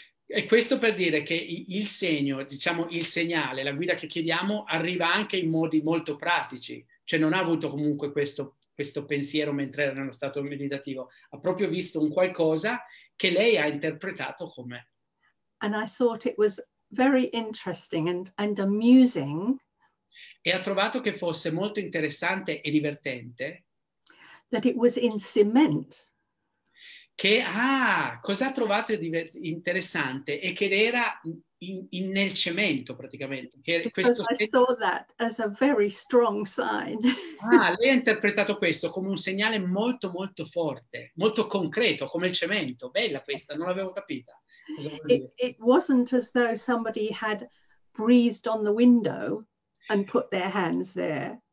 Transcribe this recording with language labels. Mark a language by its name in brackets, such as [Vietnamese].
[Italian] E questo per dire che il segno, diciamo il segnale, la guida che chiediamo, arriva anche in modi molto pratici, cioè non ha avuto comunque questo pensiero mentre era nello stato meditativo, ha proprio visto un qualcosa che lei ha interpretato come [English] and I thought it was very interesting and amusing. [Italian] E ha trovato che fosse molto interessante e divertente. [English] That it was in cement. [Italian] Che, ah, cosa ha trovato interessante? E che era nel cemento, praticamente. Che [English] questo I saw that as a very strong sign. [Italian] Ah, lei ha interpretato questo come un segnale molto, molto forte, molto concreto, come il cemento. Bella questa, non l'avevo capita. [English] It wasn't as though somebody had breathed on the window and put their hands there.